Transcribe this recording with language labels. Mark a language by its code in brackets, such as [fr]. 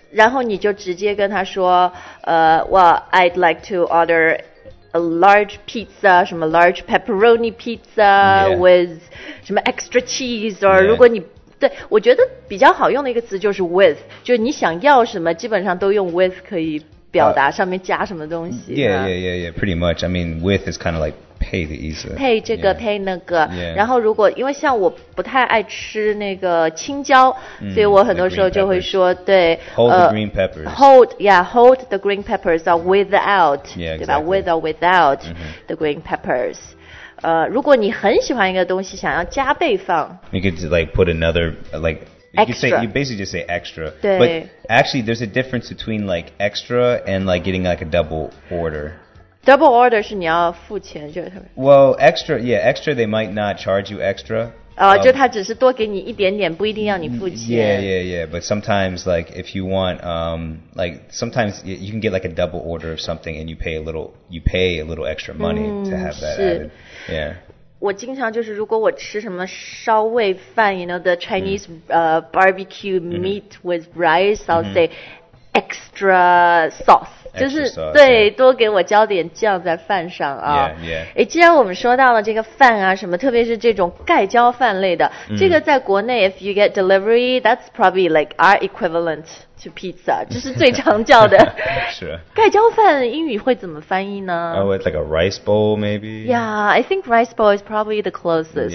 [zh] 然后你就直接跟他说， [en] well, I'd like to order a large pizza, [zh] 什么 [en] large pepperoni pizza with [zh] 什么 [en] extra cheese, or [zh] 如果你对，我觉得比较好用的一个词就是 with, 就是你想要什么基本上都用 with 可以表达上面加什么东西。 [en] Yeah, pretty much. I mean, with is kind of like pay [zh] 的意思。 Pay 这个 pay 那个。 [en] Yeah. [zh] 然后如果因为像我不太爱吃那个青椒所以我很多时候就会说对。 [en] Hold the green peppers. Hold the green peppers or without, yeah, [zh] 对吧 [en] ?With or without the green peppers. [zh] 如果你很喜欢一个东西想要加倍放 [en] You could like put another like you, say, you basically just say extra [zh] 对 [en] But actually there's a difference between like extra and like getting like a double order Double order [zh] 是你要付钱就 [en] Well extra yeah extra they might not charge you extra [zh] 就他只是多给你一点点不一定要你付钱 [en] Yeah But sometimes like if you want like sometimes you can get like a double order of something and you pay a little extra money to have that added Yeah. [zh] 我经常就是如果我吃什么烧味饭 [en] you know, the Chinese barbecue meat with rice, I'll say extra sauce. Extra [zh] 就是 [en] sauce, [zh] 对、 [en] yeah. [zh] 多给我浇点酱在饭上啊。 [en] Yeah. [zh] 诶既然我们说到了这个饭啊什么特别是这种盖浇饭类的、这个在国内 [en] if you get delivery, that's probably like our equivalent to pizza, [zh] 这是最常叫的。是。盖浇饭英语会怎么翻译呢 [en] Oh, it's like a rice bowl, maybe? Yeah, I think rice bowl is probably the closest.